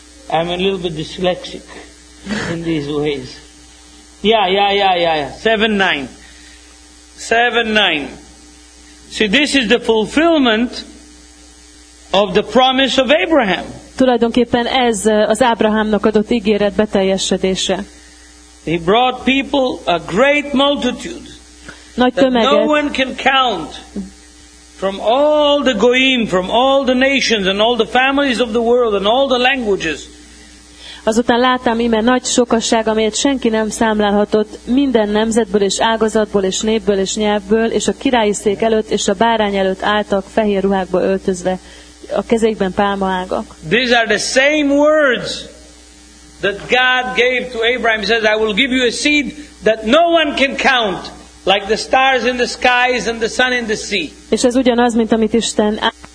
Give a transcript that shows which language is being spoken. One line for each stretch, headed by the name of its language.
English: I'm a little bit dyslexic in these ways. Yeah. 7-9. 7-9. See, this is the fulfillment of the promise of Abraham.
Hungarian: Tulajdonképpen ez az Ábrahámnak adott ígéret beteljesedése.
English: He brought people a great multitude.
Hungarian: Nagy tömeget.
English: That no one can count from all the goyim, from all the nations and all the families of the world and all the languages.
Hungarian: Azután láttam, íme nagy sokasság, amelyet senki nem számlálhatott, minden nemzetből és ágazatból és népből és nyelvből, és a királyi szék előtt és a bárány előtt álltak fehér ruhákba öltözve, a kezeikben pálmaágak.
English: These are the same words that God gave to Abraham. He says, I will give you a seed that no one can count, like the stars in the skies and the sun in the sea.
Hungarian: És ez ugyanaz, mint amit Isten